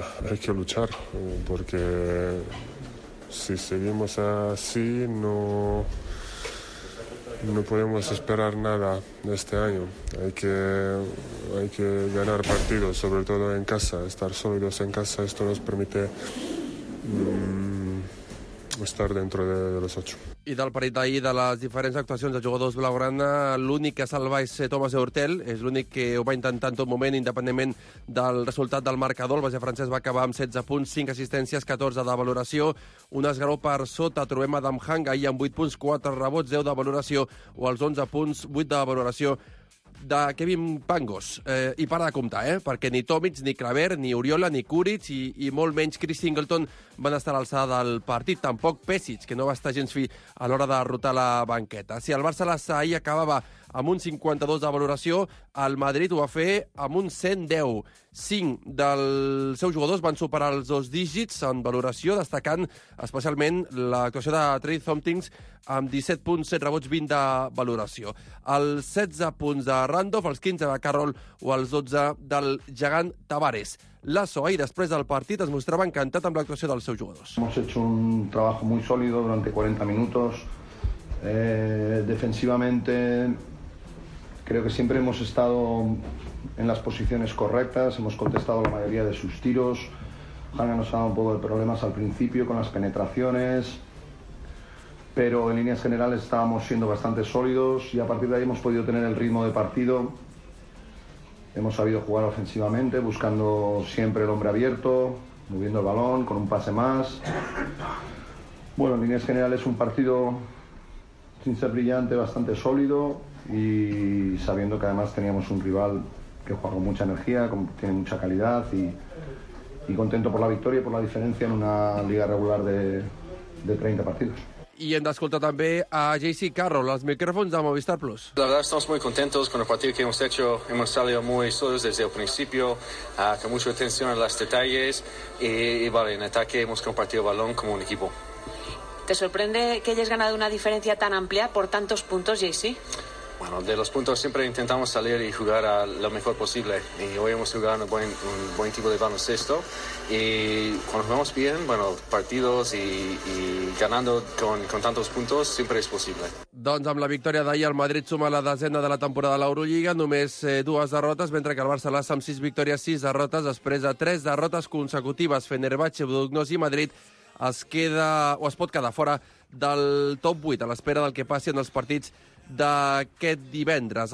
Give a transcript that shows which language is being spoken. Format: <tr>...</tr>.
<es>Hay que luchar, porque si seguimos así, no podemos esperar nada este año. Hay que ganar partidos, sobre todo en casa. Estar sólidos en casa, esto nos permite estar dentro de los 8.</es> <ca>I del partit d'ahir, de les diferents actuacions de jugadors blaugrana, l'únic que salva és Tomàs Hurtel, és l'únic que ho va intentar en tot moment, independentment del resultat del marcador. El base francès va acabar amb 16 punts, 5 assistències, 14 de valoració, un esgaró per sota, trobem Adam Hanga, ahir amb 8 punts, 4 rebots, 10 de valoració, o els 11 punts, 8 de valoració de Kevin Pangos. I para de comptar, perquè ni Tomic, ni Claver, ni Oriola, ni Kuric i molt menys Chris Singleton van estar a l'alçada del partit. Tampoc Pesic, que no va estar gens fi a l'hora de rotar la banqueta. Si el Barça l'ahir acabava amb un 52 de valoració, el Madrid ho va fer amb un 110. 5 dels seus jugadors van superar els 2 dígits en valoració, destacant especialment l'actuació de Trey Thompkins amb 17 punts, 7 rebots, 20 de valoració. Els 16 punts de Randolph, els 15 de Carroll o els 12 del gegant Tavares. Lasso, ahir, després del partit, es mostrava encantat amb l'actuació dels seus jugadors.</ca> <es>Hemos hecho un trabajo muy sólido durante 40 minutos. Defensivamente, creo que siempre hemos estado en las posiciones correctas, hemos contestado la mayoría de sus tiros. Hanga nos ha dado un poco de problemas al principio con las penetraciones, pero en líneas generales estábamos siendo bastante sólidos y a partir de ahí hemos podido tener el ritmo de partido. Hemos sabido jugar ofensivamente, buscando siempre el hombre abierto, moviendo el balón con un pase más. Bueno, en líneas generales un partido sin ser brillante, bastante sólido y sabiendo que además teníamos un rival que juega con mucha energía, tiene mucha calidad y contento por la victoria y por la diferencia en una liga regular de 30 partidos.</es> <ca>I hem d'escoltar també a J.C. Carroll, els micròfons de Movistar Plus.</ca> <es>La verdad, estamos muy contentos con el partido que hemos hecho. Hemos salido muy solos desde el principio, con mucha atención a los detalles. Y vale, en ataque hemos compartido balón como un equipo. ¿Te sorprende que hayas ganado una diferencia tan amplia por tantos puntos, J.C.? Bueno, de los puntos siempre intentamos salir y jugar a lo mejor posible. Y hoy hemos jugado un buen tipo de baloncesto. Y cuando jugamos bien, bueno, partidos y ganando con tantos puntos, siempre es posible.</es> <ca>Doncs amb la victòria d'ahir, el Madrid suma la desena de la temporada de l'Eurolliga, només 2 derrotes, mentre que el Barça l'ha amb 6 victòries, 6 derrotes, després de 3 derrotes consecutives. Fenerbahçe, Budućnost i Madrid es pot quedar fora del top 8 a l'espera del que passi en els partits d'aquest divendres.</ca>